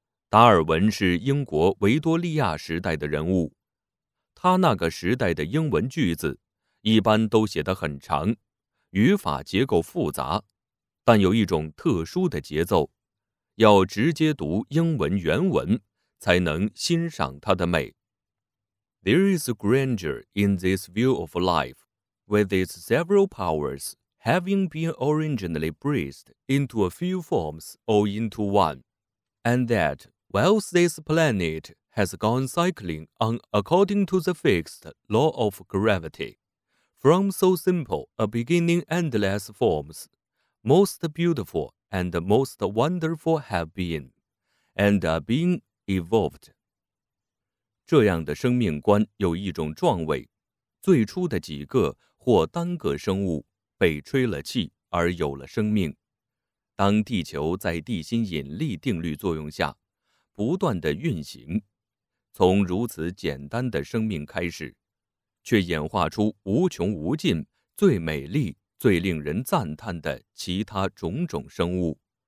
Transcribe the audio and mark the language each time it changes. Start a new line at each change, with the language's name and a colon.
Chinese: 达尔文是英国维多利亚时代的人物，他那个时代的英文句子一般都写得很长，语法结构复杂，但有一种特殊的节奏，要直接读英文原文才能欣赏它的美。
English: There is a grandeur in this view of life, with its several powers having been originally breathed into a few forms or into one, and that, whilst this planet has gone cycling on according to the fixed law of gravity, from so simple a beginning endless forms, most beautiful and most wonderful have been, and are being evolved.
Chinese: 这样的生命观有一种壮伟，最初的几个或单个生物被吹了气而有了生命。当地球在地心引力定律作用下不断地运行，从如此简单的生命开始，却演化出无穷无尽、最美丽、最令人赞叹的其他种种生物。